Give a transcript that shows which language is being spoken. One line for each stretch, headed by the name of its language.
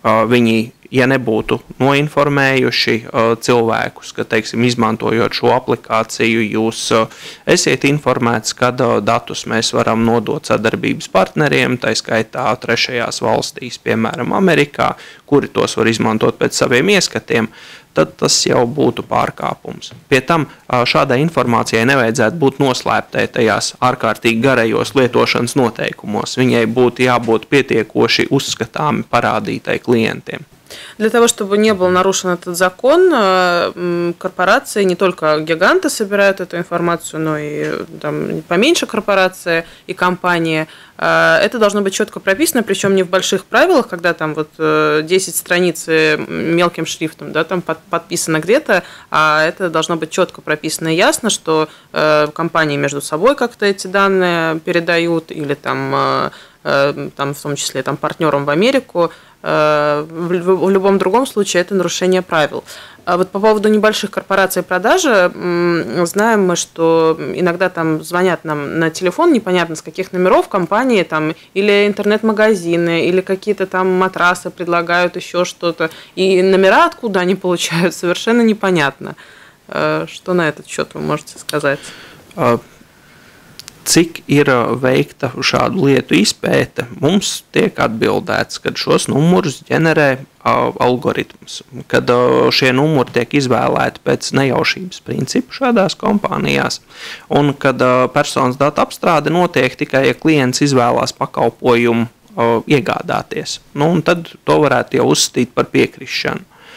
Latvian: Viņi, ja nebūtu noinformējuši cilvēkus, ka, teiksim, izmantojot šo aplikāciju, jūs esiet informēts, kad datus mēs varam nodot sadarbības partneriem, tai skaitā trešajās valstīs, piemēram, Amerikā, kuri tos var izmantot pēc saviem ieskatiem, tad tas jau būtu pārkāpums. Pie tam šādai informācijai nevajadzētu būt noslēptai tajās ārkārtīgi garajos lietošanas noteikumos. Viņai būtu jābūt pietiekoši uzskatāmi parādītai klientiem.
Russian: Для того, чтобы не был нарушен этот закон, корпорации, не только гиганты собирают эту информацию, но и там, поменьше корпорации и компании, это должно быть четко прописано, причем не в больших правилах, когда там вот 10 страниц мелким шрифтом, да, там подписано где-то, а это должно быть четко прописано и ясно, что компании между собой как-то эти данные передают, или там, там в том числе там, партнерам в Америку. В любом другом случае это нарушение правил. А вот по поводу небольших корпораций продажи, знаем мы, что иногда там звонят нам на телефон, непонятно с каких номеров, компании там, или интернет-магазины, или какие-то там матрасы предлагают, еще что-то, и номера откуда они получают, совершенно непонятно. Что на этот счет вы можете сказать?
Latvian: Cik ir veikta šādu lietu izpēte, mums tiek atbildēts, kad šos numurus ģenerē algoritms, kad šie numuri tiek izvēlēti pēc nejaušības principu šādās kompānijās, un kad personas data apstrāde notiek tikai, ja klients izvēlās pakalpojumu iegādāties, nu, un tad to varētu jau uzstīt par piekrišanu.